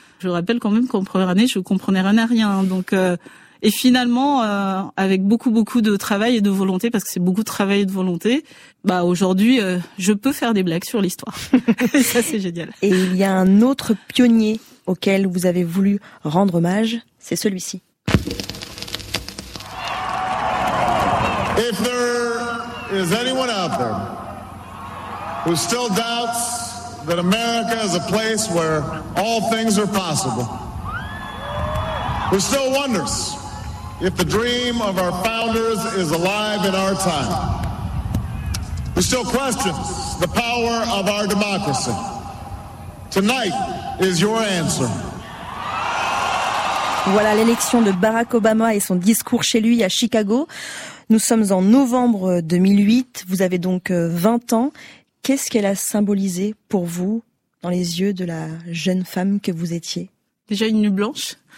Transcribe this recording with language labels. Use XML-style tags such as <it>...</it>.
<fr>Je rappelle quand même qu'en première année je comprenais rien à rien. Donc et finalement avec beaucoup de travail et de volonté, parce que c'est beaucoup de travail et de volonté, aujourd'hui je peux faire des blagues sur l'histoire. Ça c'est génial. Et il y a un autre pionnier auquel vous avez voulu rendre hommage, c'est celui-ci.</fr> <en>If there is anyone out there who still doubts that America is a place where all things are possible, who still wonders if the dream of our founders is alive in our time, who still questions the power of our democracy, tonight is your answer.</en> <fr>Voilà l'élection de Barack Obama et son discours chez lui à Chicago. Nous sommes en novembre 2008, vous avez donc 20 ans. Qu'est-ce qu'elle a symbolisé pour vous dans les yeux de la jeune femme que vous étiez ? Déjà une nuit blanche.</fr>